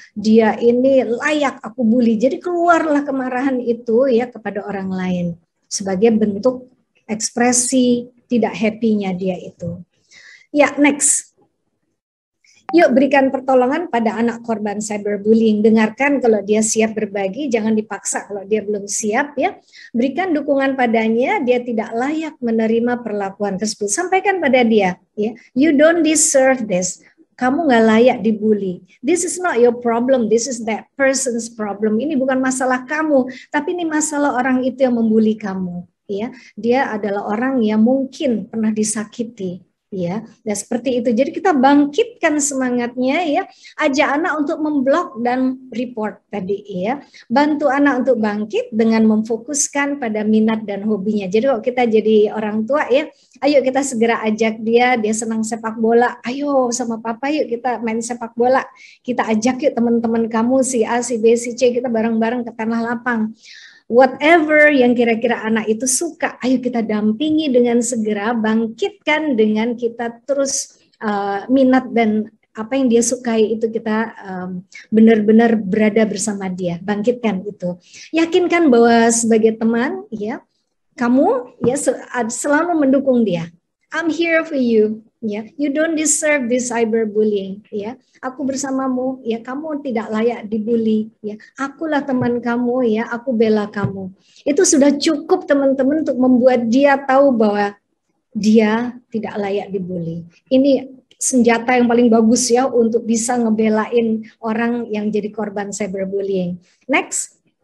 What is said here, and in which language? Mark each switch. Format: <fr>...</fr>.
<id>Dia ini layak aku bully. Jadi keluarlah kemarahan itu, ya, kepada orang lain sebagai bentuk ekspresi tidak happy-nya dia itu. Ya, next. Yuk berikan pertolongan pada anak korban cyberbullying. Dengarkan kalau dia siap berbagi, jangan dipaksa kalau dia belum siap, ya. Berikan dukungan padanya, dia tidak layak menerima perlakuan tersebut. Sampaikan pada dia, ya.</id> <en>You don't deserve this.</en> <id>Kamu gak layak dibully.</id> <en>This is not your problem, this is that person's problem.</en> <id>Ini bukan masalah kamu, tapi ini masalah orang itu yang membully kamu. Ya, dia adalah orang yang mungkin pernah disakiti. Ya, dan seperti itu. Jadi kita bangkitkan semangatnya, ya. Ajak anak untuk memblok dan report tadi, ya. Bantu anak untuk bangkit dengan memfokuskan pada minat dan hobinya. Jadi kalau kita jadi orang tua, ya, ayo kita segera ajak dia. Dia senang sepak bola. Ayo sama papa yuk kita main sepak bola. Kita ajak yuk teman-teman kamu, si A, si B, si C, kita bareng-bareng ke tanah lapang. Whatever yang kira-kira anak itu suka, ayo kita dampingi dengan segera, bangkitkan dengan kita terus minat dan apa yang dia sukai itu kita benar-benar berada bersama dia, bangkitkan itu. Yakinkan bahwa sebagai teman, ya, kamu ya selalu mendukung dia.</id> <en>I'm here for you, ya. You don't deserve this cyberbullying, ya.</en> <id>Aku bersamamu, ya. Kamu tidak layak dibully, ya. Akulah teman kamu, ya. Aku bela kamu. Itu sudah cukup teman-teman untuk membuat dia tahu bahwa dia tidak layak dibully. Ini senjata yang paling bagus, ya, untuk bisa ngebelain orang yang jadi korban cyberbullying. Next.</id>